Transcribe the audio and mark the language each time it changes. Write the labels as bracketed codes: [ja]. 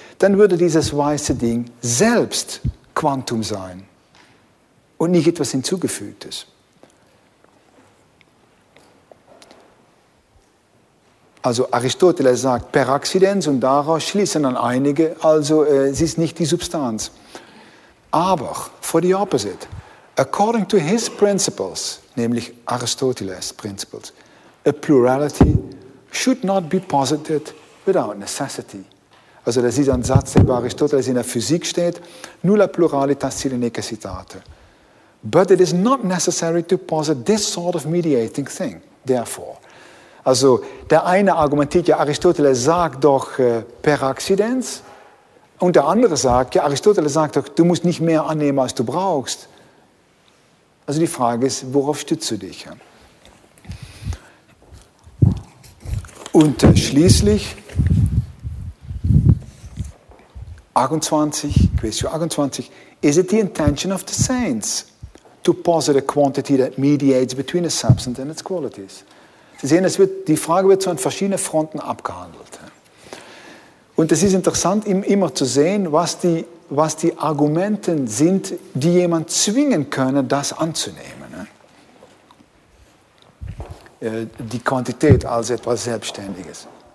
[de] Dann würde dieses weiße Ding selbst Quantum sein und nicht etwas Hinzugefügtes. Also Aristoteles sagt per accidens und daraus schließen dann einige, also es ist nicht die Substanz. [en] Aber, for the opposite, according to his principles, nämlich Aristoteles' principles, a plurality should not be posited without necessity. [de] Also das ist ein Satz, der bei Aristoteles in der Physik steht, [la] nulla pluralitas sine necessitate. [en] But it is not necessary to posit this sort of mediating thing, therefore. [de] Also der eine argumentiert ja, Aristoteles sagt doch per accidens, und der andere sagt, ja, Aristoteles sagt doch, du musst nicht mehr annehmen, als du brauchst. Also die Frage ist, worauf stützt du dich? Und schließlich, [en] 28, Question 28, is it the intention of the saints to posit a quantity that mediates between a substance and its qualities? [de] Sie sehen, es wird, die Frage wird so an verschiedenen Fronten abgehandelt. Und es ist interessant, immer zu sehen, was die Argumente sind, die jemand zwingen können, das anzunehmen. Die Quantität als etwas Selbstständiges.